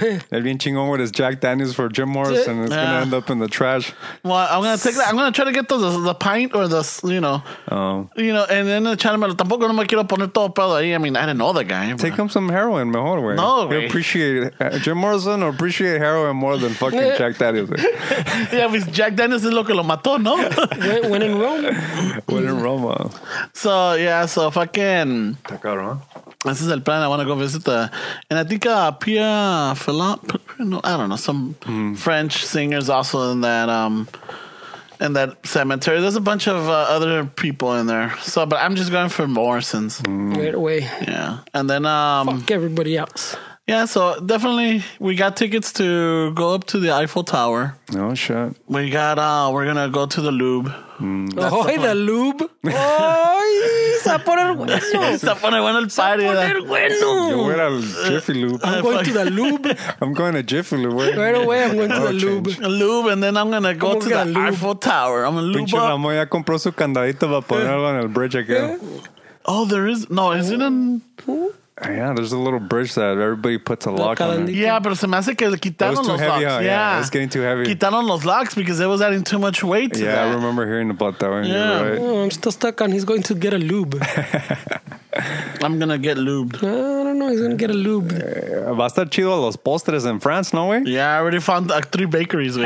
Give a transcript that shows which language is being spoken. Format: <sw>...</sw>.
<es>El bien chingón, güey,</es> <en>is Jack Daniels for Jim Morrison, and it's going to end up in the trash. Well, I'm going to take that. I'm going to try to get the pint or the, you know. Oh. You know, and then the channel,</en> <es>tampoco no me quiero poner todo pedo ahí.</es> <en>I mean, I didn't know the guy. Take him some heroin,</en> <es>mejor, güey. No, güey.</es> <en>Jim Morrison will appreciate heroin more than fucking Jack Daniels.</en> <es>Yeah, pues Jack Daniels es lo que lo mató, ¿no?</es> <en>When in Rome. When in Roma. So, yeah, so fuck. Again, this is the plan. I want to go visit and I think Pia Philippe, no, I don't know, some French singers also in that cemetery. There's a bunch of other people in there. So, but I'm just going for Morrison's. Right away. Yeah, and then fuck everybody else. Yeah, so definitely we got tickets to go up to the Eiffel Tower. Oh shit! We got we're gonna go to the Louvre.</en> <es>Oy, the Louvre. Oy, se va a poner bueno. Se va a poner bueno el party. Se va a poner bueno. Yo voy al Jiffy Lube.</es> <en>I'm going to the Louvre. I'm going to Jiffy Lube. Right away, I'm going to the Louvre. Louvre, and then I'm gonna go to the Eiffel Tower. I'm a Louvre.</en> <es>Pinche Ramón ya compró su candadito para ponerlo en el</es> <en>bridge again. Oh, there is no. Is it in? Yeah, there's a little bridge that everybody puts a lock on. It.</en> <es>Yeah, pero se me hace que quitaron los</es> <en>heavy, Huh? Yeah, it's getting too heavy.</en> <es>Quitaron los locks</es> <en>because it was adding too much weight. Yeah, that. I remember hearing about that one. Yeah, right. Oh, I'm still stuck on. He's going to get a lube. I'm gonna get lubed. I don't know. He's gonna get a lube.</en> <es>Va a estar chido los postres en France,</es> <en>no way? Yeah, I already found like three bakeries. Way.</en>